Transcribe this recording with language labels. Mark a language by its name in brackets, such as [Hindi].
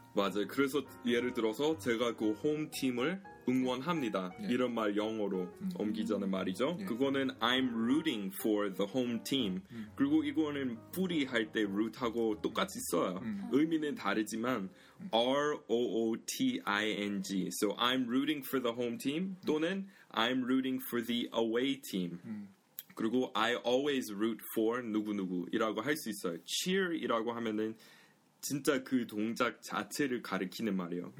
[Korean] 맞아요. 그래서 예를 들어서 제가 그 홈팀을 응원합니다. 네. 이런 말 영어로 옮기자는 말이죠. 네. 그거는 [English] I'm rooting for the home team. [Korean] 그리고 이거는 뿌리 할 때 root하고 똑같이 써요. 의미는 다르지만 R-O-O-T-I-N-G. [English] So I'm rooting for the home team [Korean] 또는 [English] I'm rooting for the away team. [Korean] 그리고 [English] I always root for [Korean] 누구누구 이라고 할 수 있어요. cheer 이라고 하면은 진짜 그 동작 자체를 가리키는 말이에요.